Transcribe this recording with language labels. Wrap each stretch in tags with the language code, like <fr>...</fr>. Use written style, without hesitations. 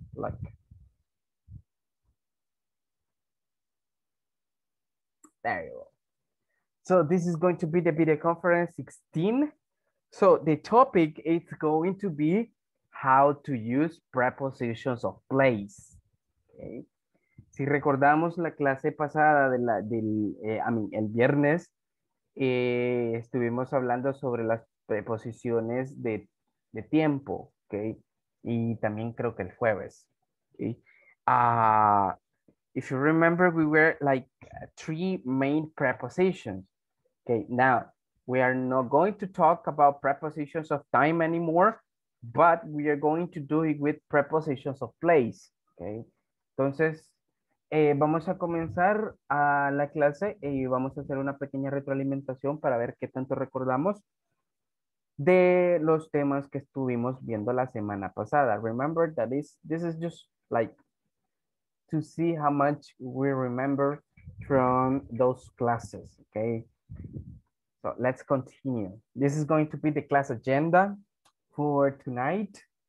<en>Like, there you go. So this is going to be the video conference 16. So the topic is going to be how to use prepositions of place. Okay.</en> <es>Si recordamos la clase pasada de la del el viernes, estuvimos hablando sobre las preposiciones de tiempo, okay, y también creo que el jueves, okay.</es> <en>If you remember, we were like three main prepositions. Okay, now we are not going to talk about prepositions of time anymore, but we are going to do it with prepositions of place.</en> <es>Okay, entonces vamos a comenzar a la clase y vamos a hacer una pequeña retroalimentación para ver qué tanto recordamos de los temas que estuvimos viendo la semana pasada.</es> <en>Remember that this is just like to see how much we remember from those classes, okay? So let's continue. This is going to be the class agenda for tonight.</en>